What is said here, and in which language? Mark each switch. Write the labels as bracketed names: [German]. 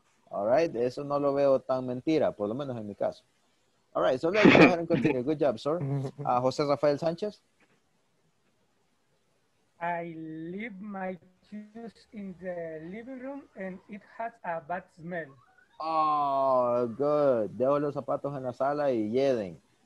[Spanish] All right, eso no lo veo tan mentira, por lo menos en mi caso. [English] All right, so let's go ahead and continue. Good job, sir. José Rafael Sánchez. I leave my shoes in the living room and it has a bad smell. Oh, good. [Spanish] Dejo los zapatos en la sala y lleguen.